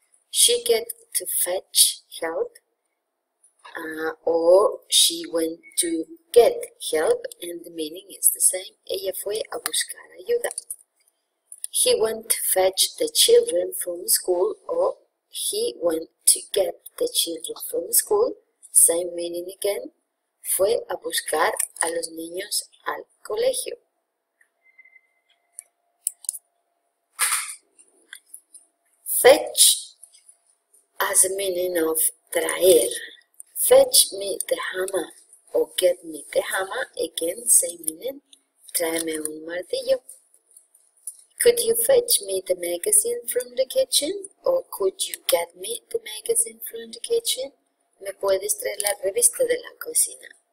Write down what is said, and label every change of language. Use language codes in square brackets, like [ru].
[en] She get to fetch help, or she went to get help, and the meaning is the same. [es] Ella fue a buscar ayuda. [en] He went to fetch the children from school, or he went to get the children from school. Same meaning again. [es] Fue a buscar a los niños al colegio. [en] Fetch has a meaning of traer. Fetch me the hammer o get me the hammer. Again, same meaning. [es] Tráeme un martillo. [en] Could you fetch me the magazine from the kitchen? Or could you get me the magazine from the kitchen? [es] ¿Me puedes traer la revista de la cocina?